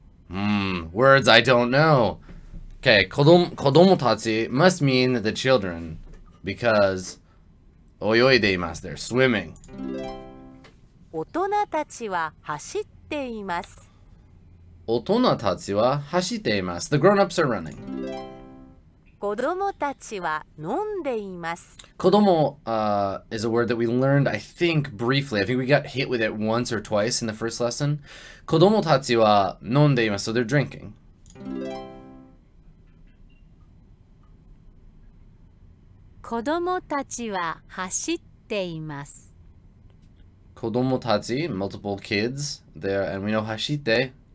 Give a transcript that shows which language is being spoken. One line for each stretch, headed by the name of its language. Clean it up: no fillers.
English: Words I don't know. Okay, 子供たち must mean the children because
Japanese: 泳いでいます。
English: They're swimming.
Japanese: 大人たちは走っています。大人たちは走っています。
English: The grown-ups are running.
Japanese: 子供たちは飲んでいます。
English: 子供、is a word that we learned, I think, briefly. I think we got hit with it once or twice in the first lesson.
Japanese: 子供たちは飲んでいます。
English: So they're drinking.
Japanese: 子供たちは走っています。
English: 子供たち、multiple kids, there, and we know 走って。